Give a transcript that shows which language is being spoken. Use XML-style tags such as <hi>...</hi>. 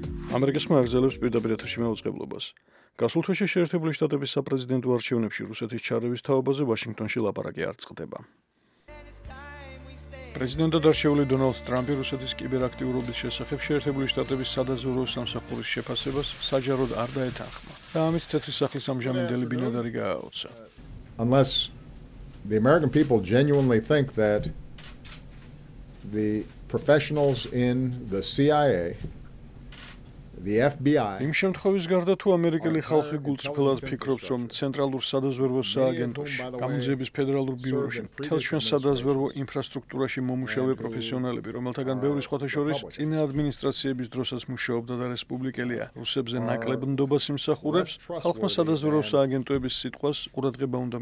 <ka>ამერიკის ხმა აგრძელებს პირდაპირ ეთერში მაუწყებლობას. გასულ თვეში შეერთებული შტატების საპრეზიდენტო არჩევნებში რუსეთის ჩარევის თაობაზე ვაშინგტონში ლაპარაკი არ წყდება. პრეზიდენტად არჩეული დონალდ ტრამპი რუსეთის კიბერაქტიურობის შესახებ შეერთებული შტატების სადაზვერვო სამსახურის შეფასებას საჯაროდ არ დაეთანხმა. და ამის თეთრი სახლის ამჟამინდელი ბინადარი გააოცა.</ka> <en>Unless the American people genuinely think that the professionals in the CIA,</en> <ka>იმ შემთხვევის გარდა თუ ამერიკელი ხალხი გულწრფელად ფიქრობს, რომ ცენტრალურ სადაზვერვო სააგენტოში, გამოძიების ფედერალურ ბიუროში, მთელ ჩვენ სადაზვერვო ინფრასტრუქტურაში მომუშავე პროფესიონალები, რომელთაგან ბევრი სხვათა შორის წინა ადმინისტრაციების დროსაც მუშაობდა და რესპუბლიკელია, რუსებზე ნაკლებ ნდობას იმსახურებს, ხალხმა სადაზვერვო სააგენტოების სიტყვას ყურადღება უნდა</ka>